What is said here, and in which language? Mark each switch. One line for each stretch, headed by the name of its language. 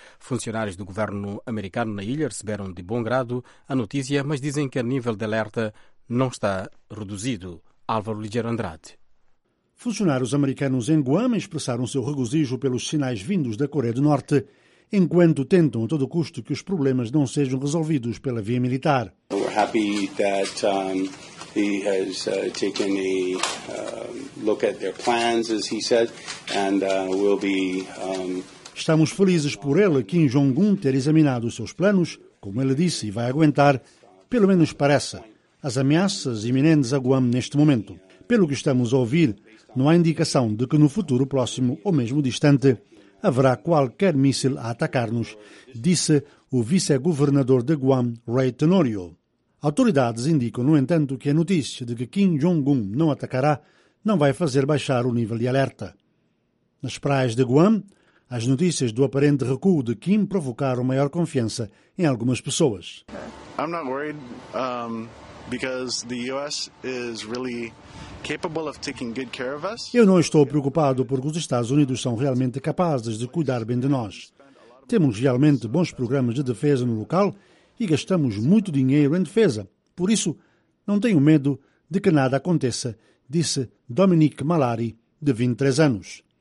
Portuguese: Funcionários do governo americano na ilha receberam de bom grado a notícia, mas dizem que o nível de alerta não está reduzido. Álvaro Ligeiro Andrade. Funcionários americanos em Guam expressaram seu regozijo pelos sinais vindos da Coreia do Norte, enquanto tentam a todo custo que os problemas não sejam resolvidos pela via militar.
English: We're happy that he has taken a look at their plans, as he said, and will be.
Portuguese: Estamos felizes por ele, Kim Jong-un, ter examinado os seus planos, como ele disse, e vai aguentar, pelo menos parece, as ameaças iminentes a Guam neste momento. Pelo que estamos a ouvir, não há indicação de que no futuro próximo ou mesmo distante haverá qualquer míssil a atacar-nos, disse o vice-governador de Guam, Ray Tenorio. Autoridades indicam, no entanto, que a notícia de que Kim Jong-un não atacará não vai fazer baixar o nível de alerta. Nas praias de Guam, as notícias do aparente recuo de Kim provocaram maior confiança em algumas pessoas.
English: I'm not worried, because the US is really capable of taking good care of us.
Portuguese: Eu não estou preocupado porque os Estados Unidos são realmente capazes de cuidar bem de nós. Temos realmente bons programas de defesa no local e gastamos muito dinheiro em defesa. Por isso, não tenho medo de que nada aconteça, disse Dominic Malari, de 23 anos.